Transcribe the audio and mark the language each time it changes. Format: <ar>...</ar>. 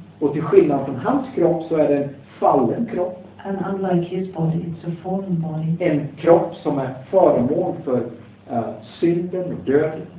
<sv>Och till skillnad från hans kropp så är det en fallen kropp.</sv> <en>And unlike his body, it's a fallen body.</en> <sv>En kropp som är föremål för synden och döden.</sv>